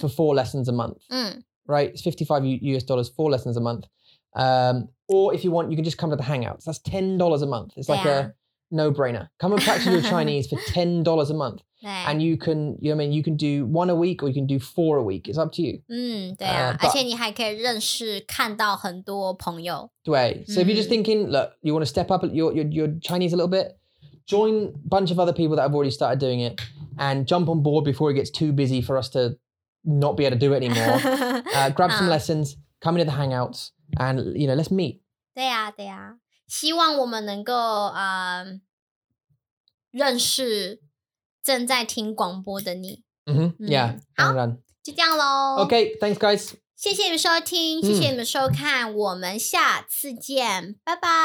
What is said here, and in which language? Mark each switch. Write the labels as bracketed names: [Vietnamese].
[English] for four lessons a month.、 Mm. Right, it's $55 US, four lessons a month.、or if you want, you can just come to the Hangouts. That's $10 a month. It's like、yeah. a no-brainer. Come and practice your Chinese for $10 a month.、 Yeah. And you can, you know what I mean, you can do one a week or you can do four a week. It's up to you. [Chinese] 嗯，对啊，而且你还可以认识看到很多朋友。 [English] 对，so if you're just thinking, look, you want to step up your Chinese a little bit, join a bunch of other people that have already started doing it and jump on board before it gets too busy for us to... not be able to do it anymore. grab some lessons, come into the Hangouts, and, you know, let's meet. [Chinese] 对啊对啊希望我们能够、认识正在听广播的你。 [English] Mm-hmm. Yeah, [Chinese] 好当然。就这样咯。 [English] Okay, thanks guys. [Chinese] 谢谢你们收听、mm. 谢谢你们收看我们下次见拜拜。